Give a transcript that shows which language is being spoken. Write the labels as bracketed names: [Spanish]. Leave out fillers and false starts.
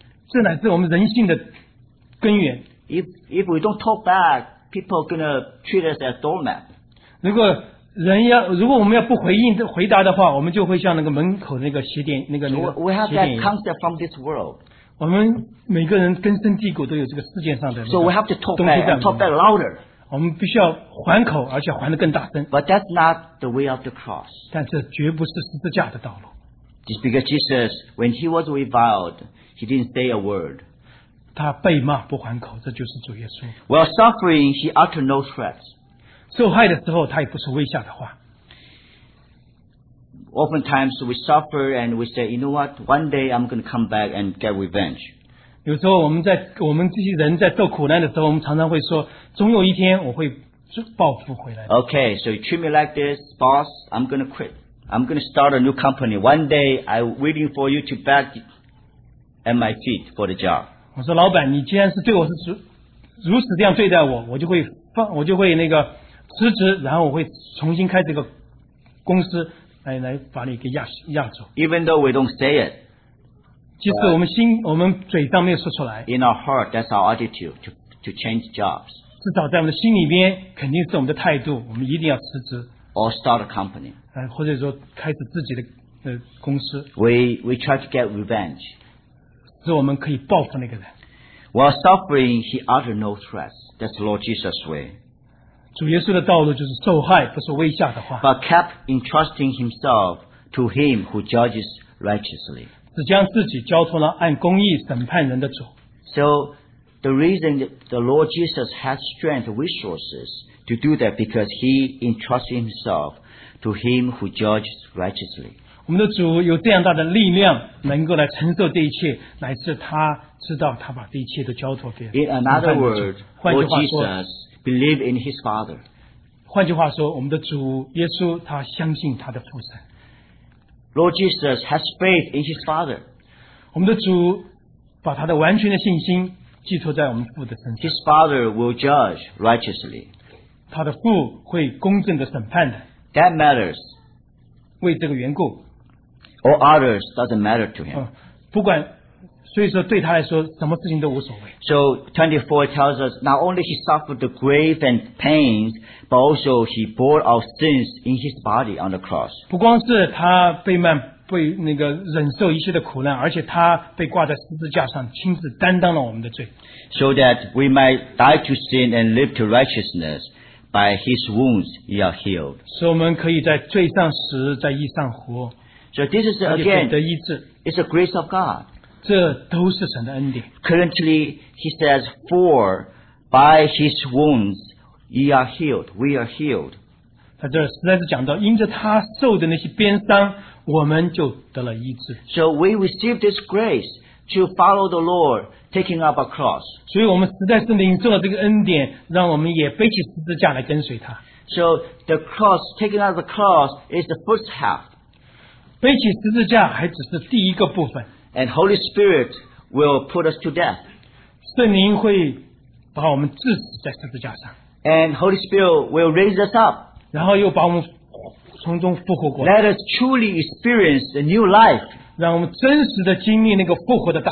[Chinese] 这乃是我们人性的根源。 [English] If we don't talk back, people gonna treat us as doormat。 [Chinese] 如果我们要不回应回答的话，我们就会像那个门口那个鞋垫那个鞋垫。 [English] We have that concept from this world. [Chinese] 我们每个人根深蒂固都有这个世界上的东西在里面。 [English] So we have to talk back louder. [Chinese] 我们必须要还口，而且还得更大声。 [English] But that's not the way of the cross. [Chinese] 但这绝不是十字架的道路。 [English] Just because Jesus, when he was reviled, he didn't say a word. [Chinese] 他被骂不还口，这就是主耶稣。 [English] While suffering, he uttered no threats. [Chinese] 受害的时候，他也不说威吓的话。 [English] Oftentimes we suffer and we say, you know what? One day I'm going to come back and get revenge. [Chinese] 有时候我们这些人在受苦难的时候，我们常常会说，总有一天我会报复回来。 [English] Okay, so you treat me like this, boss. I'm going to quit. I'm going to start a new company. One day I'm waiting for you to back at my feet for the job. [Chinese] 我说，老板，你既然是对我是如此这样对待我，我就会那个辞职，然后我会重新开这个公司。来把你给压住。 [English] Even though we don't say it, [Chinese] 其实我们心我们嘴上没有说出来。 [English] In our heart, that's our attitude to change jobs. [Chinese] 至少在我们的心里边，肯定是我们的态度，我们一定要辞职。 [English] Or start a company. [Chinese] 或者说开始自己的公司。 [English] We try to get revenge. [Chinese] 使我们可以报复那个人。 [English] While suffering, he uttered no threats. That's the Lord Jesus' way. [Chinese] 主耶稣的道路就是受害，不是威吓的话。 [English] But kept entrusting himself to him who judges righteously. [Chinese] 只将自己交托了按公义审判人的主。 [English] So the reason the Lord Jesus has strength resources to do that because he entrusts himself to him who judges righteously. [Chinese] 我们的主有这样大的力量能够来承受这一切，乃是他知道他把这一切都交托给。 [English] In another word, Lord Jesus. Believe in his father. [Chinese] 换句话说，我们的主耶稣他相信他的父神。 [English] Lord Jesus has faith in his father. [Chinese] 我们的主把他的完全的信心寄托在我们父的身上。 [English] His father will judge righteously. [Chinese] 他的父会公正的审判的。 [English] That matters. [Chinese] 为这个缘故。 [English] All others doesn't matter to him. [Chinese] 不管。所以说对他来说什么事情都无所谓。 [English] So 24 tells us not only he suffered the grave and pains, but also he bore our sins in his body on the cross. [Chinese] 不光是他被骂被那个忍受一切的苦难，而且他被挂在十字架上亲自担当了我们的罪。 [English] So that we might die to sin and live to righteousness, by his wounds we are healed. [Chinese] 所以我们可以在罪上死在义上活。 [English] So this is again, it's a grace of God. [Chinese] 这都是神的恩典。 [English] Currently, he says, "For by his wounds ye are healed; we are healed." [Chinese] 他这实在是讲到，因着他受的那些鞭伤，我们就得了医治。 [English] So we receive this grace to follow the Lord, taking up a cross. [Chinese] 所以我们实在是领受了这个恩典，让我们也背起十字架来跟随他。 [English] So the cross, taking up the cross, is the first half. [Chinese] 背起十字架还只是第一个部分。 [English] And Holy Spirit will put us to death. [Chinese] 圣灵会把我们致死在十字架上。 [English] And Holy Spirit will raise us up. [Chinese] 然后又把我们从中复活过 [English] 来。Let us truly experience a new life. [Chinese] 让我们真实的经历那个复活的大。